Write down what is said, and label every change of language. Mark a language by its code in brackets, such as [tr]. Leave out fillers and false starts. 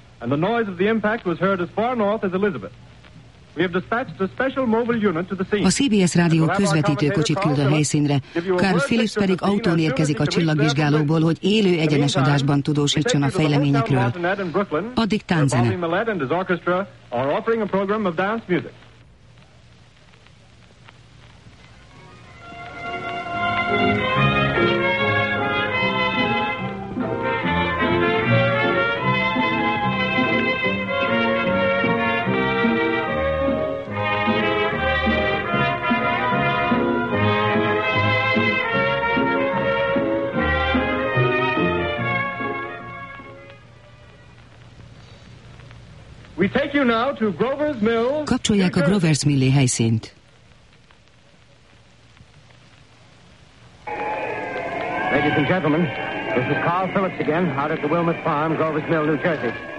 [en] and the noise of the impact was heard as far north as Elizabeth. We have dispatched a special mobile unit to the scene. [hu] A CBS rádió közvetítőkocsit küld a helyszínre. Carl Phillips pedig autón érkezik a csillagvizsgálóból, hogy élő egyenes adásban tudósítson a fejleményekről. Addig tánczene. [en] We take you now to Grover's Mill. [hu] Kapcsolják a Grover's Mill-i helyszínt. [en] Ladies and gentlemen, this is Carl Phillips again, out at the Wilmot Farm, Grover's Mill, New Jersey.